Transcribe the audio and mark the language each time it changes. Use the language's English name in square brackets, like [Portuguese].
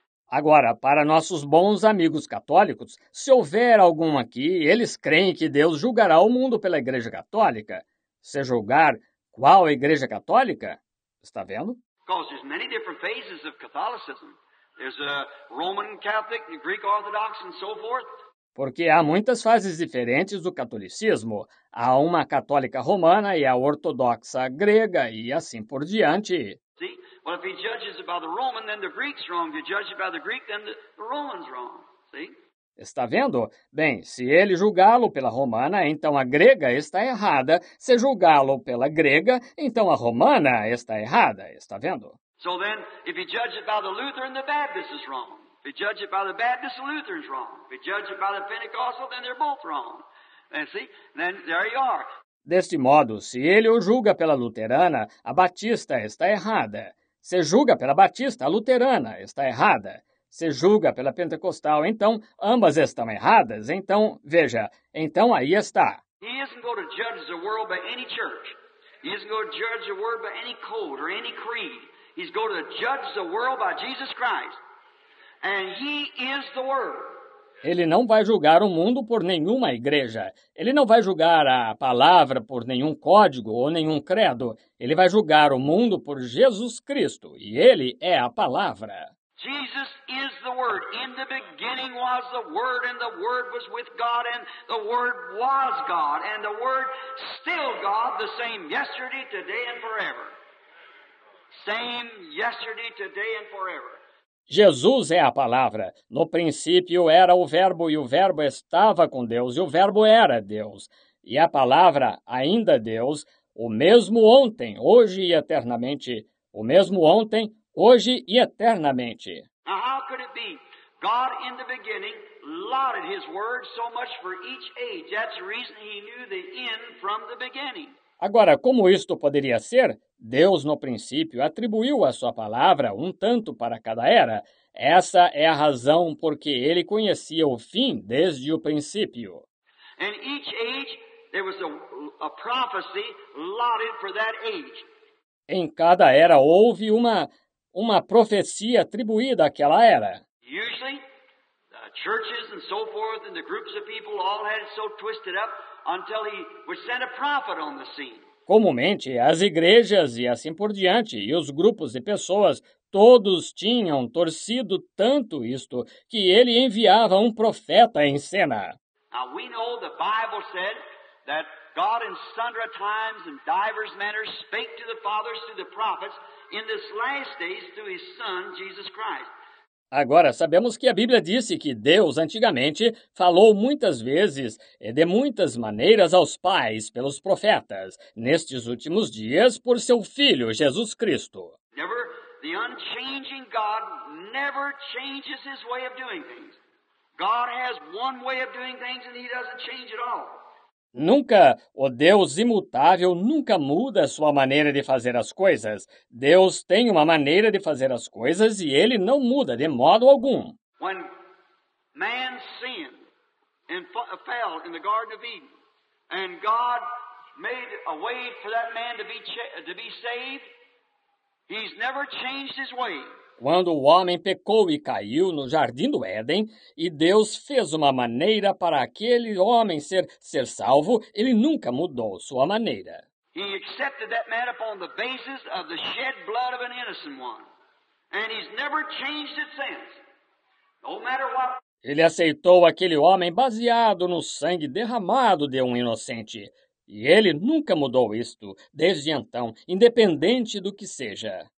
[Portuguese] Agora, para nossos bons amigos católicos, se houver algum aqui, eles creem que Deus julgará o mundo pela Igreja Católica. Se julgar, qual Igreja Católica? Está vendo? [English] Because there's many different phases of Catholicism. There's a Roman Catholic, the Greek Orthodox, and so forth. [Portuguese] Porque há muitas fases diferentes do catolicismo. Há uma católica romana e a ortodoxa grega e assim por diante. [English] See? Well, if he judges by the Roman, then the Greek's wrong. If he judges by the Greek, then the Roman's wrong. See? [Portuguese] Está vendo? Bem, se ele julgá-lo pela romana, então a grega está errada. Se julgá-lo pela grega, então a romana está errada. Está vendo? [English] So then, if you judge it by the Lutheran, the Baptist is wrong. If you judge it by the Baptist, the Lutheran is wrong. If you judge it by the Pentecostal, then they're both wrong. And see? Then there you are. [Portuguese] Deste modo, se ele o julga pela luterana, a batista está errada. Se julga pela batista, a luterana está errada. Se julga pela pentecostal, então ambas estão erradas. Então, veja, então aí está. [English] He isn't going to judge the world by any church. He isn't going to judge the world by any code or any creed. He's going to judge the world by Jesus Christ. And he is the Word. [Portuguese] Ele não vai julgar o mundo por nenhuma igreja. Ele não vai julgar a palavra por nenhum código ou nenhum credo. Ele vai julgar o mundo por Jesus Cristo, e ele é a palavra. [English] Jesus is the Word. In the beginning was the Word, and the Word was with God, and the Word was God, and the Word still God, the same yesterday, today, and forever. Same yesterday, today, and forever. [Portuguese] Jesus é a palavra. No princípio era o Verbo, e o Verbo estava com Deus, e o Verbo era Deus. E a palavra, ainda Deus, o mesmo ontem, hoje e eternamente, o mesmo ontem, hoje e eternamente. [English] Now, how could it be? God, in the beginning, lauded his word so much for each age. That's the reason he knew the end from the beginning. [Portuguese] Agora, como isto poderia ser? Deus, no princípio, atribuiu a sua palavra um tanto para cada era. Essa é a razão porque ele conhecia o fim desde o princípio. [English] In each age, there was a prophecy lauded for that age. [Portuguese] Em cada era houve uma profecia atribuída àquela era. [English] Usually, the churches and so forth and the groups of people all had it so twisted up until he was sent a prophet on the scene. [Portuguese] Comumente, as igrejas e assim por diante, e os grupos de pessoas, todos tinham torcido tanto isto que ele enviava um profeta em cena. [English] Now, we know the Bible said that God in sundry times and divers manners spake to the fathers through the prophets. In this last days, through his son, Jesus Christ. [Portuguese] Agora, sabemos que a Bíblia disse que Deus, antigamente, falou muitas vezes e de muitas maneiras aos pais pelos profetas, nestes últimos dias, por seu Filho, Jesus Cristo. [English] Never, the unchanging God never changes his way of doing things. God has one way of doing things and he doesn't change at all. [Portuguese] Nunca, o Deus imutável nunca muda a sua maneira de fazer as coisas. Deus tem uma maneira de fazer as coisas e ele não muda de modo algum. [English] When man sinned and fell in the Garden of Eden, and God made a way for that man to be saved, he's never changed his way. [Portuguese] Quando o homem pecou e caiu no jardim do Éden, e Deus fez uma maneira para aquele homem ser salvo, ele nunca mudou sua maneira. [English] He accepted that matter upon the basis of the shed blood of an innocent one. And he's never changed it since. No matter what. [Portuguese] Ele aceitou aquele homem baseado no sangue derramado de um inocente. E ele nunca mudou isto, desde então, independente do que seja.